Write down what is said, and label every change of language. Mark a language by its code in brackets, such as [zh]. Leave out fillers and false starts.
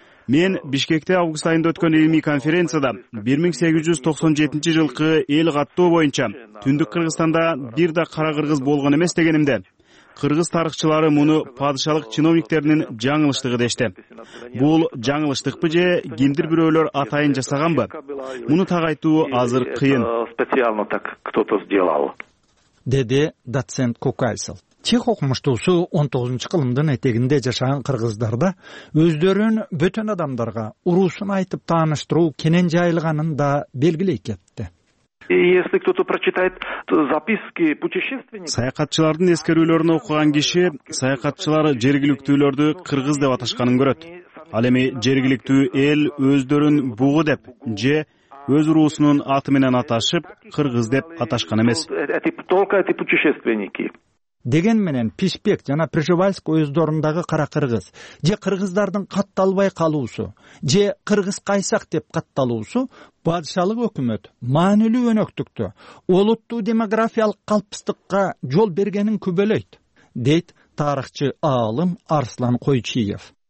[ky] Мен Бишкекте август айында өткөн илимий конференцияда 1897 жылкы эл каттоо боюнча түндүк Кыргызстанда бир да кара кыргыз болгон эмес дегенимде кыргыз тарыхчылары муну падышалык чиновниктеринин жаңылыштыгы дешти. Бул жаңылыштыкпы же кимдир бирөөлөр атайын жасаганбы? Муну так айтуу азыр кыйын. [ru] Специально так кто-то сделал. [ky] Деди доцент Кукайсыл. Чех окумуштуусу 19-чу кылымдын этегинде жашаган кыргыздарда өздөрүн бөтөн адамдарга урусун айтып тааныштыруу кенен жайылганын да белгилей кетти. [ru] Если кто-то прочитает записки путешественников, [ky] саякатчылардын эскерүүлөрүн окуган киши саякатчылар жергиликтүүлөрдү кыргыз деп аташканын көрөт. Ал эми жергиликтүү эл өздөрүн бугу деп же өз уруусунун аты менен аташып кыргыз деп аташкан эмес. [ru] Только эти путешественники. [ky] Деген менен Пишпек жана Пржевальск оюздорундагы кара кыргыз же кыргыздардын катталбай калуусу же кыргыз кайсак деп катталуусу падышалык өкмөт маанилүү өнөктүктү олуттуу демографиялык калпыстыкка жол бергенин күбөлөйт, дейт тарыхчы аалым Арслан Койчиев.